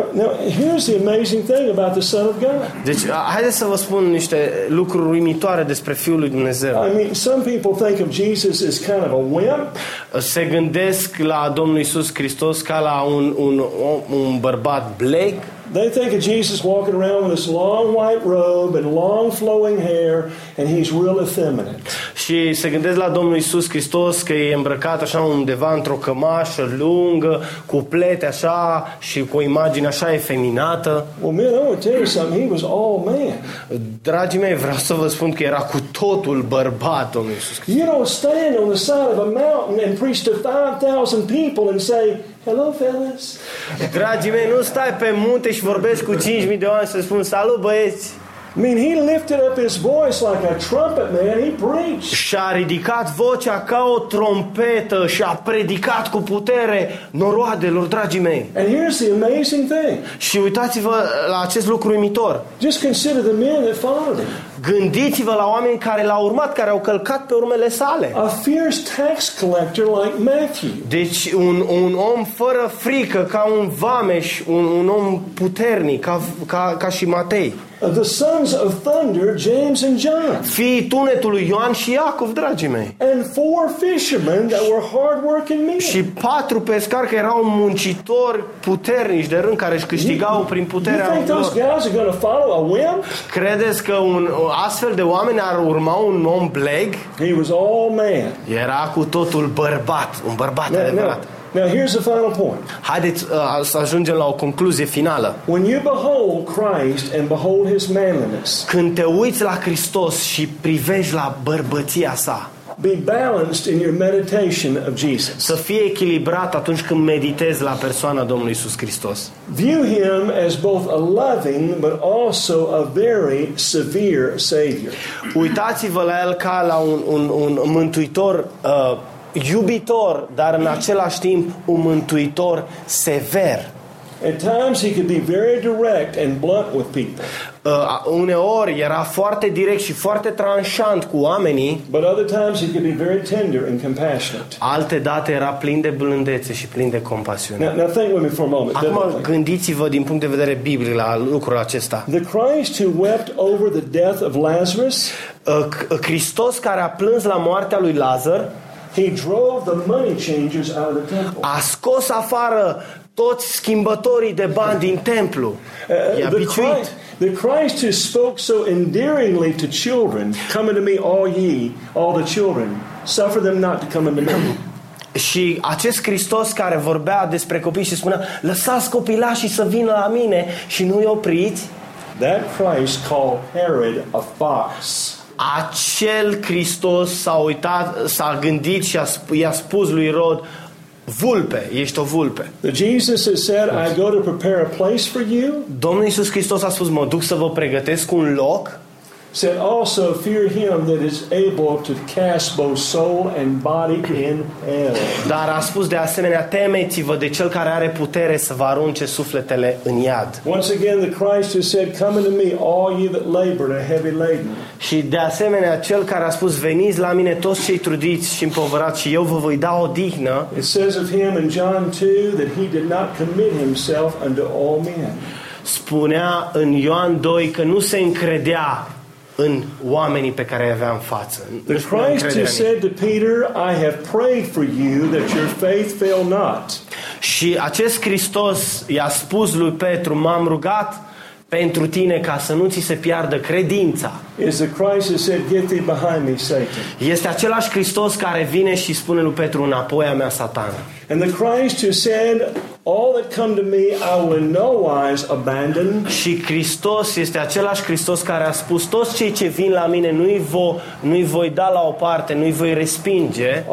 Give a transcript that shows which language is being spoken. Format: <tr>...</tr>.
<en>Now, here's the amazing thing about the Son of God.</en> <ro>Deci, haideți să vă spun niște lucruri uimitoare despre Fiul lui Dumnezeu.</ro> <en>I mean, some people think of Jesus as kind of a wimp.</en> <ro>Se gândesc la Domnul Iisus Hristos ca la un bărbat blec.</ro> <en>They think of Jesus walking around with this long white robe and long flowing hair and he's real effeminate.</en> <ro>Și se gândesc la Domnul Iisus Hristos că e îmbrăcat așa undeva într-o cămașă lungă, cu plete așa și cu o imagine așa efeminată.</ro> <en>Well, man, I want to tell you something. He was all man.</en> <ro>Dragii mei, vreau să vă spun că era cu totul bărbat Domnul Iisus Hristos.</ro> <en>You don't stand on the side of a mountain and preach to 5,000 people and say, hello, fellas.</en> <ro>Dragii mei, nu stai pe munte și vorbești cu 5.000 de oameni să spun salut, băieți.</ro> <en>I mean, he lifted up his voice like a trumpet, man. He preached.</en> <ro>Și-a ridicat vocea ca o trompetă și a predicat cu putere noroadelor, dragii mei.</ro> <en>And here's the amazing thing.</en> <ro>Și uitați-vă la acest lucru uimitor.</ro> <en>Just consider the men that followed him.</en> <ro>Gândiți-vă la oameni care l-au urmat, care au călcat pe urmele sale.</ro> <en>A fierce tax collector like Matthew.</en> <ro>Deci un om fără frică, ca un vameș, un om puternic, ca și Matei.</ro> <en>The sons of thunder, James and John.</en> <ro>Fii tunetului Ioan și Iacov, dragii mei.</ro> <en>And four fishermen that were hardworking men.</en> <ro>Și patru pescari care erau muncitori puternici de rând, care își câștigau prin puterea</ro> <en>lor. You think those guys are going to follow a whim?</en> <ro>Credeți că un astfel de oameni ar urma un om bleg?</ro> <en>He was all man.</en> <ro>Era cu totul bărbat, un bărbat adevărat.</ro> <en>Now here's the final point.</en> <ro>Haideți să ajungem la o concluzie finală.</ro> <en>When you behold Christ and behold his manliness.</en> <ro>Când te uiți la Hristos și privești la bărbăția sa.</ro> <en>Be balanced in your meditation of Jesus.</en> <ro>Să fii echilibrat atunci când meditezi la persoana Domnului Iisus Hristos.</ro> <en>View him as both a loving but also a very severe savior.</en> <ro>Uitați-vă la el ca la un mântuitor iubitor, dar în același timp un mântuitor sever.</ro> <en>At times he could be very direct and blunt with people.</en> <ro>Uneori era foarte direct și foarte tranșant cu oamenii.</ro> <en>But other times he could be very tender and compassionate.</en> <ro>Alte date era plin de blândețe și plin de compasiune.</ro> <en>Now think with me for a moment.</en> <ro>Acum gândiți-vă din punct de vedere biblic la lucrul acesta.</ro> <en>The Christ who wept over the death of Lazarus.</en> <ro>Hristos care a plâns la moartea lui Lazar.</ro> <en>He drove the money changers out of the temple.</en> <ro>A scos afară toți schimbătorii de bani din templu. I-a biciuit.</ro> <en>The Christ who spoke so endearingly to children, come unto me all ye, all the children, suffer them not to come unto me.</en> <ro>Și acest Hristos care vorbea despre copii și spunea, lăsați copilașii să vină la mine și nu-i opriți.</ro> <en>That Christ called Herod a fox.</en> <ro>Acel Hristos s-a uitat, s-a gândit și i-a spus lui Rod, vulpe, ești o vulpe.</ro> <en>Jesus said, I go to prepare a place for you.</en> <ro>Domnul Iisus Hristos a spus, mă duc să vă pregătesc un loc.</ro> <en>Said also fear him that is able to cast both soul and body in hell.</en> <ro>Dar a spus de asemenea temeți-vă de cel care are putere să vă arunce sufletele în iad.</ro> <en>Once again the Christ has said come unto me all ye that labor and are heavy laden.</en> <ro>Și de asemenea cel care a spus veniți la mine toți cei trudiți și împovărați și eu vă voi da odihnă.</ro> <en>It says of him in John 2 that he did not commit himself unto all men.</en> <ro>Spunea în Ioan 2 că nu se încredea în oamenii pe care îi avea în față.</ro> <en>The Christ has said to Peter, I have prayed for you that your faith fail not.</en> <ro>Și acest Hristos i-a spus lui Petru, m-am rugat pentru tine ca să nu ți se piardă credința.</ro> <en>is the Christ who said, "Get thee behind me, Satan."</en> <ro>Este același Hristos care vine și spune lui Petru, înapoi a mea, Satana.</ro> <en>And the Christ who said, "All that come to me, I will in no wise abandon."</en> <ro>Și Hristos este același Hristos care a spus, toți cei ce vin la mine, nu-i voi da la o parte, nu-i voi respinge.</ro>